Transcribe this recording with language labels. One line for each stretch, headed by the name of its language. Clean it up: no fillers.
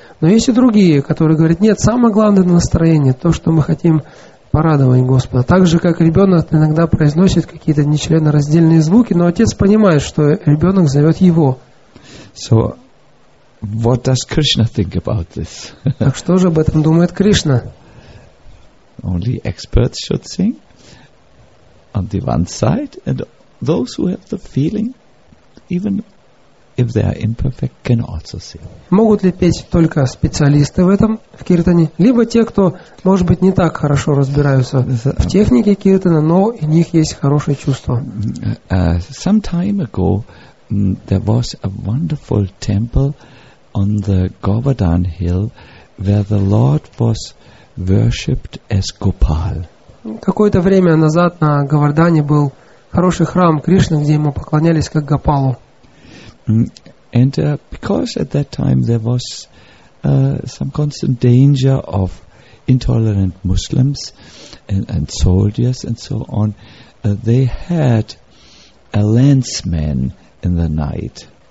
Russian: Но есть и другие, которые говорят, нет, самое главное настроение, то, что мы хотим порадовать Господа. Так же, как ребенок иногда произносит какие-то нечленораздельные звуки, но отец понимает, что ребенок зовет его.
English: So, what does Krishna think about this?
Russian: Так что же об этом думает Кришна?
English: Only experts should sing on the one side, and those who have the feeling, even if they are imperfect, can also sing.
Russian: Могут ли петь только специалисты в этом, в киртане, либо те, кто, может быть, не так хорошо разбираются в технике киртана, но у них есть хорошее чувство.
English: Some time ago, there was a wonderful temple on the Govardhan Hill, where the Lord was worshipped as Gopal.
Russian: Какое-то время назад на Говардане был хороший храм Кришны, где ему поклонялись как Гопалу.
English: And because at that time there was some constant danger of intolerant Muslims and soldiers and so on, they had a lanceman in the night.